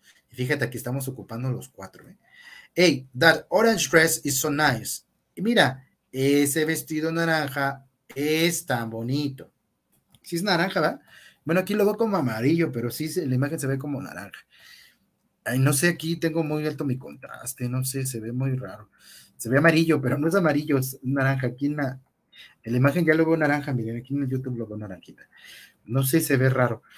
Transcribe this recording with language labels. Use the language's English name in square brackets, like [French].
[Spanish] Fíjate, aquí estamos ocupando los cuatro. [English] Hey, that orange dress is so nice. [Spanish] Y mira, ese vestido naranja es tan bonito. Sí es naranja, ¿verdad? Bueno, aquí lo veo como amarillo, pero sí, la imagen se ve como naranja. Ay, no sé, aquí tengo muy alto mi contraste, no sé, se ve muy raro. Se ve amarillo, pero no es amarillo, es naranja. Aquí en la imagen ya lo veo naranja, miren, aquí en el YouTube lo veo naranjita. No sé, se ve raro.